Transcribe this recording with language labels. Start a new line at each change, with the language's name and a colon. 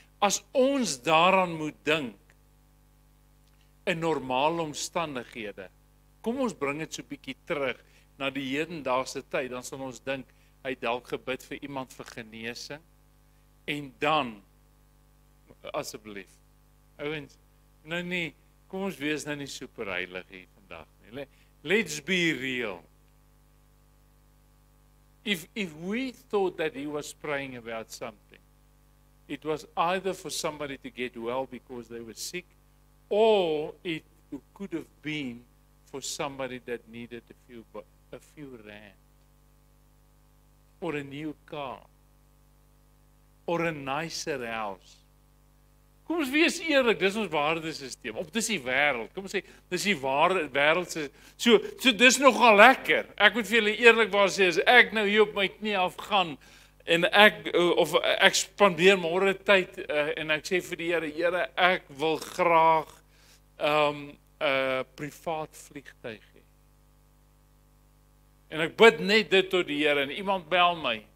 Afrikaans: As ons daaraan moet dink, in normale omstandighede, kom ons bring dit so 'n bietjie terug, na die hedendaagse tyd, dan sal ons dink, hy het dalk gebid vir iemand vir genesing, en dan, asseblief, ouens, nou nie, kom ons wees nou nie superheilig hier vandag nie.
English: Let's be real. If we thought that he was praying about something, it was either for somebody to get well because they were sick, or it could have been for somebody that needed a few rand, or a new car, or a nicer house.
Afrikaans: Kom ons wees eerlik, dis ons waardesisteem. Op dis die wêreld. Kom ons sê, dis die ware wêreld se. So dis nogal lekker. Ek moet vir julle eerlikwaar sê, as ek nou hier op my knie afgaan en ek spandeer môre tyd en ek sê vir die Here, ek wil graag 'n privaat vliegtuig hê. En ek bid net dit tot die Here en iemand bel my.